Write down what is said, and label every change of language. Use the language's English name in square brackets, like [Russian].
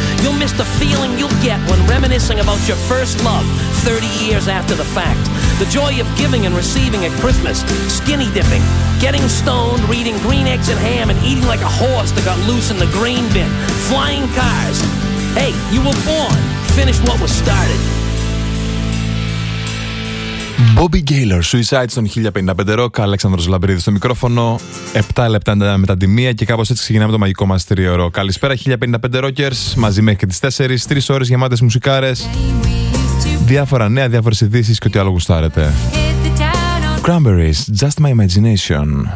[English] You'll miss the feeling you'll get when reminiscing about your first love 30 years after the fact. The joy of giving and receiving at Christmas, skinny dipping, getting stoned, reading Green Eggs and Ham, and eating like a horse that got loose in the grain bin, flying cars. Hey, you were born. Finish what was started. [Greek] Bobby Gaylor, Suicide στον 1055 Rock, Αλέξανδρος Λαμπρίδης στο μικρόφωνο, 7 λεπτά μετά τη μία και κάπως έτσι ξεκινάμε το μαγικό μας τριωρό. Καλησπέρα 1055 Rockers, μαζί μέχρι και τις 4, 3 ώρες γεμάτες μουσικάρες, διάφορα νέα, διάφορες ειδήσεις και ό,τι άλλο γουστάρετε. Cranberries, Just My Imagination.